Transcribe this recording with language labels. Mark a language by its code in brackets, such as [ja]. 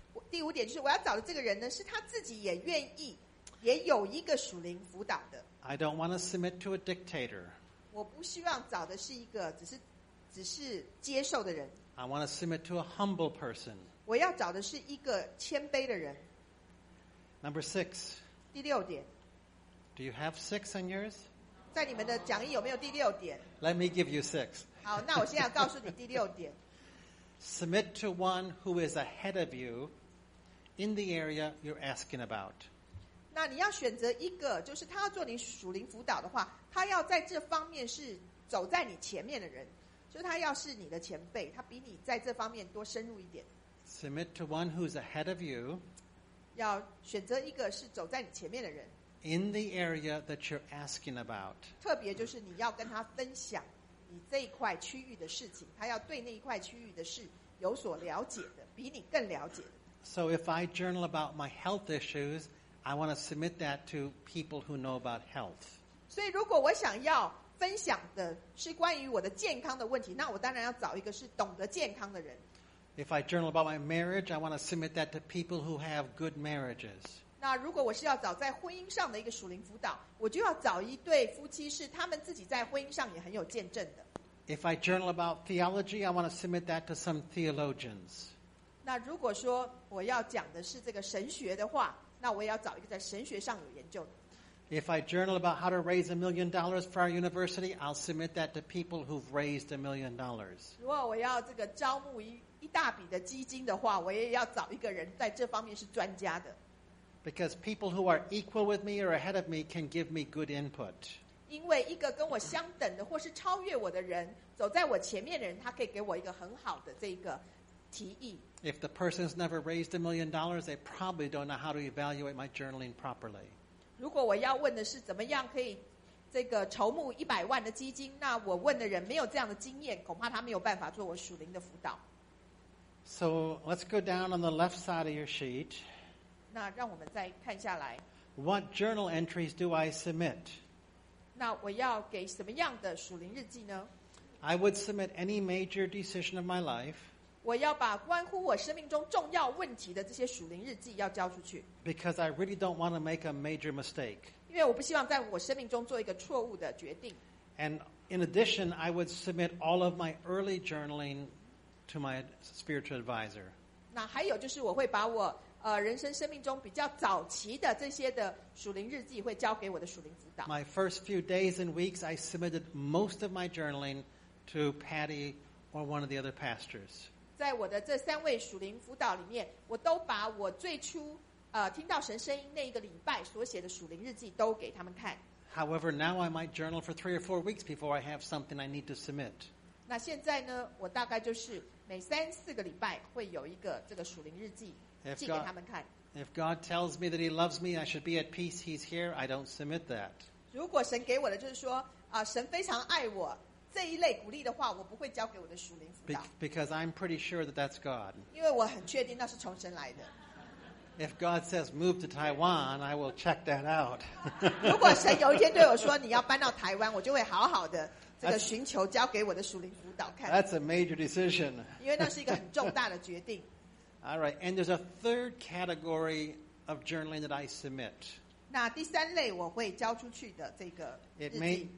[zh] 第五点就是我要找的这个人呢，是他自己也愿意，也有一个属灵辅导的。 [en] I don't want to submit to a dictator. [zh] 我不希望找的是一个只是接受的人。 [en] I want to submit to a humble person. [zh] 我要找的是一个谦卑的人。 [en] Number six. [zh] 第六点。 [en] Do you have six on yours? [zh] 在你们的讲义有没有第六点？ [en] Let me give you six. [zh] 好，那我现在要告诉你第六点。 [en] submit to one who is ahead of you in the area you're asking about. [zh] 那你要选择一个，就是他要做你属灵辅导的话，他要在这方面是走在你前面的人，就是他要是你的前辈，他比你在这方面多深入一点。 [en] Submit to one who's ahead of you. [zh] 要选择一个是走在你前面的人。 [en] In the area that you're asking about. [zh] 特别就是你要跟他分享你这一块区域的事情，他要对那一块区域的事有所了解的，比你更了解的。 [en] So if I journal about my health issues, I want to submit that to people who know about health. [zh] 所以如果我想要分享的是关于我的健康的问题，那我当然要找一个是懂得健康的人。 [en] If I journal about my marriage, I want to submit that to people who have good marriages. [zh] 那如果我是要找在婚姻上的一个属灵辅导，我就要找一对夫妻是他们自己在婚姻上也很有见证的。 [en] If I journal about theology, I want to submit that to some theologians. [zh] 那如果说我要讲的是这个神学的话，那我也要找一个在神学上有研究的。 [en] If I journal about how to raise $1 million for our university, I'll submit that to people who've raised $1 million. [zh] 如果我要这个招募一大笔的基金的话，我也要找一个人在这方面是专家的。 [en] Because people who are equal with me or ahead of me can give me good input. [zh] 因为一个跟我相等的或是超越我的人，走在我前面的人，他可以给我一个很好的这个提议。 [en] If the person's never raised $1 million, they probably don't know how to evaluate my journaling properly. [zh] 如果我要问的是怎么样可以这个筹募100万的基金，那我问的人没有这样的经验，恐怕他没有办法做我属灵的辅导。 [en] So let's go down on the left side of your sheet. [zh] 那让我们再看下来。 [en] What journal entries do I submit? [zh] 那我要给什么样的属灵日记呢？ [en] I would submit any major decision of my life. [zh] 我要把关乎我生命中重要问题的这些属灵日记要交出去。 [en] Because I really don't want to make a major mistake. [zh] 因为我不希望在我生命中做一个错误的决定。 [en] And in addition, I would submit all of my early journaling to my spiritual advisor. [zh] 那还有就是我会把我人生生命中比较早期的这些的属灵日记会交给我的属灵辅导。 [en] My first few days and weeks, I submitted most of my journaling to Patty or one of the other pastors. [zh] 在我的这三位属灵辅导里面，我都把我最初听到神声音那一个礼拜所写的属灵日记都给他们看。 [en] However, now I might journal for 3 or 4 weeks before I have something I need to submit. [zh] 那现在呢，我大概就是每3-4个礼拜会有一个这个属灵日记寄给他们看。 [en] If God tells me that He loves me, I should be at peace. He's here. I don't submit that. [zh] 如果神给我的就是说神非常爱我。这一类鼓励的话，我不会交给我的属灵辅导。 [en] Because I'm pretty sure that that's God. [zh] 因为我很确定那是从神来的。 [en] If God says move to Taiwan, I will check that out. [zh] 如果神有一天对我说你要搬到台湾，我就会好好的这个寻求交给我的属灵辅导看。 [en] That's a major decision. [zh] 因为那是一个很重大的决定。 [en] All right, and there's a third category of journaling that I submit. [zh] 那第三类我会交出去的这个日记